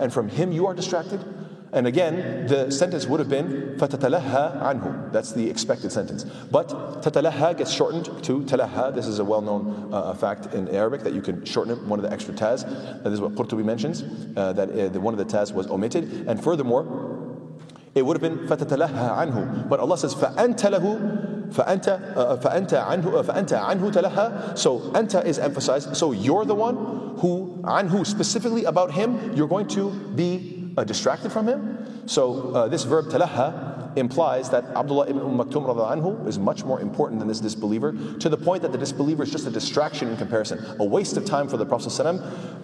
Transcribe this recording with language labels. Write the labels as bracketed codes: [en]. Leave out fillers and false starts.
[en] And from Him you are distracted? And again, the sentence would have been [ar] فَتَتَلَهَّى عَنْهُ. [en] That's the expected sentence. But تَتَلَهَّى gets shortened to تَلَهَّى. This is a well-known fact in Arabic, that you can shorten it, one of the extra ta's. This is what Qurtubi mentions, that one of the ta's was omitted. And furthermore, it would have been [ar] فَتَتَلَهَّى عَنْهُ. [en] But Allah says [ar] فَأَنْتَ لَهُ فَأَنْتَ عَنْهُ تَلَهَّى. [en] So أَنْتَ is emphasized. So you're the one who, عَنْهُ, specifically about Him, you're going to be distracted from Him. So this verb تَلَهَّى implies that Abdullah ibn Maktum radhiallahu anhu is much more important than this disbeliever, to the point that the disbeliever is just a distraction in comparison, a waste of time for the Prophet sallallahu alaihi wasallam.